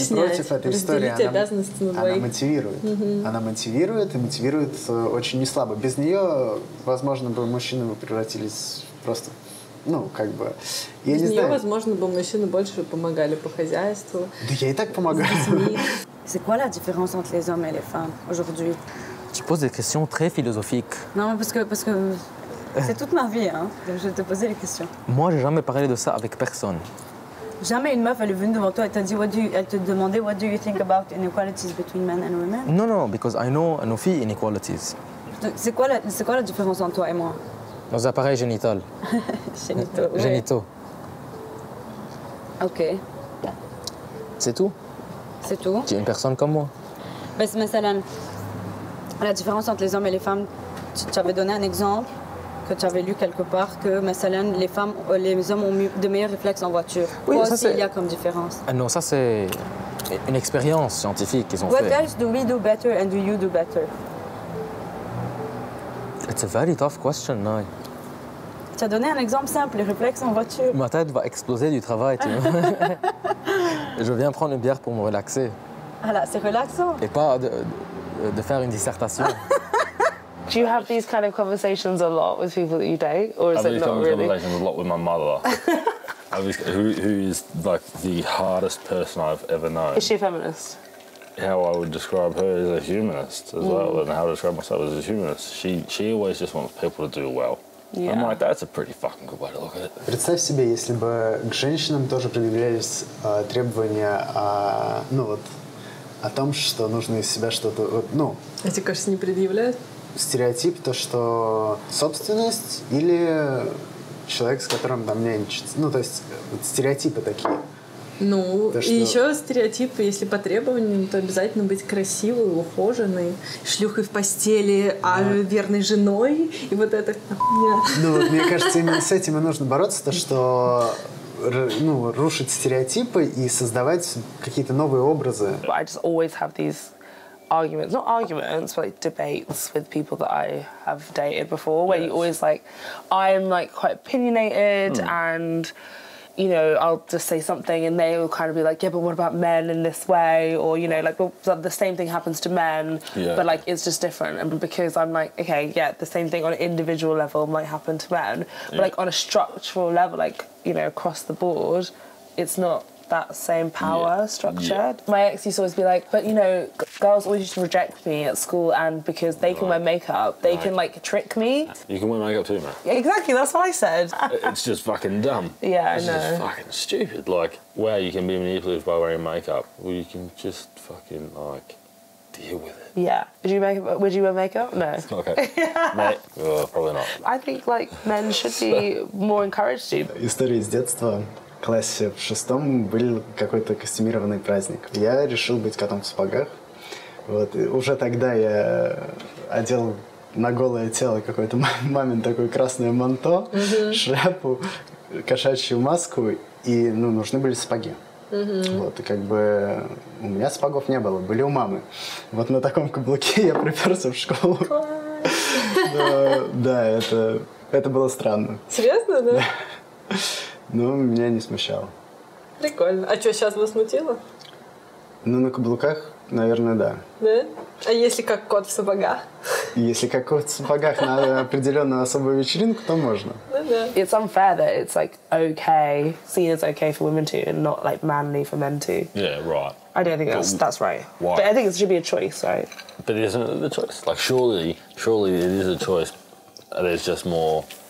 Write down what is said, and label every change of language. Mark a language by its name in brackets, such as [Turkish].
[Russian] снять, против этой истории. Разделить обязанности на двоих. Она мотивирует. Угу. Она мотивирует, и мотивирует очень неслабо. Без нее, возможно, бы мужчины превратились просто... Ну, как бы, я без не нее, знаю. Возможно, бы мужчины больше помогали по хозяйству. Да я и так помогаю. [French] C'est quoi la différence entre les hommes et les femmes aujourd'hui? Tu poses des questions très philosophiques. Non, mais parce que c'est toute ma vie, hein. Donc je vais te poser les questions. Moi, j'ai jamais parlé de ça avec personne. Jamais une meuf elle est venue devant toi et t'a dit [English] what do you, [French] elle te demandait [English] what do you think about inequalities between men and women? Non, because I know Anoufi inequalities. [French] C'est quoi la différence entre toi et moi? Nos appareils génitaux. Génitaux. Génitaux. Ok. C'est tout. C'est tout. Tu es une personne comme moi. Mais c'est [Arabic] مثلا [French] la différence entre les hommes et les femmes, tu avais donné un exemple que tu avais lu quelque part que مثلا les femmes les hommes ont de meilleurs réflexes en voiture. Oui, quoi ça aussi, c'est il y a comme différence. Ah non, ça c'est une expérience scientifique qu'ils ont [English] What [French] fait. [English] What else do we do better and do you do better? It's a very tough question, Noi. [French] Tu as donné un exemple simple, les réflexes en voiture. Ma tête va exploser du travail, tu vois. Je viens prendre une bière pour me relaxer. Ah là, c'est relaxant. Et pas de faire une dissertation. [English] Do you have these kind of conversations a lot with people that you date, or is it not really? I have these conversations a lot with my mother. who is like the hardest person I've ever known. Is she a feminist? How I would describe her as a humanist as well, and how to describe myself as a humanist. She always just wants people to do well. Yeah. I'm like, that's a pretty fucking good way to look at it. [Russian] Представь себе, если бы к женщинам тоже предъявлялись требования, ну вот, о том, что нужно из себя что-то, вот, ну. Эти, кажется, не предъявляют. Стереотип то, что собственность или человек, с которым там нянчится. Ну, то есть, вот стереотипы такие. Ну, то, что... и еще стереотипы, если по требованиям, то обязательно быть красивой, ухоженной, шлюхой в постели, да. А верной женой, и вот это хуйня. Ну, вот, мне кажется, именно с этим и нужно бороться, то, что ну, рушить стереотипы и создавать какие-то новые образы. [English] I just always have these arguments, not arguments, but like debates with people that I have dated before, where you always like, I'm like quite opinionated and... You know, I'll just say something and they will kind of be like, yeah, but what about men in this way? Or, you know, like, well, the same thing happens to men, but, like, it's just different. And because I'm like, okay, yeah, the same thing on an individual level might happen to men. But, like, on a structural level, like, you know, across the board, it's not that same power structured. Yeah. My ex used to always be like, but, you know, girls always used to reject me at school and because they can wear makeup, they can, like, trick me. You can wear makeup too, man. Yeah, exactly, that's what I said. It's just fucking dumb. Yeah, it's I know. It's just fucking stupid. Like, where you can be manipulative by wearing makeup, well, you can just fucking, like, deal with it. Yeah. Would you wear makeup? No. Okay. probably not. I think, like, men should be more encouraged to. [Russian] История из детства. В классе в шестом был какой-то костюмированный праздник. Я решил быть котом в сапогах. Вот. Уже тогда я одел на голое тело какое-то мамин такое красное манто, шляпу, кошачью маску, и ну, нужны были сапоги. Вот. И как бы у меня сапогов не было, были у мамы. Вот на таком каблуке я приперся в школу. Но, да, это было странно. Серьезно, да? Ну, меня не смущало. Прикольно. А что, сейчас вас смутило? Ну, на каблуках, наверное, да. Да? А если как кот в сапогах? Если как кот в сапогах на определенную особую вечеринку, то можно. Ну, да. [English] It's unfair that it's, like, okay, seen as okay for women to, and not, like, manly for men to. Yeah, right. I don't think that's right. Why? But I think it should be a choice, right? But isn't it the choice? Like, surely it is a choice. There's just more...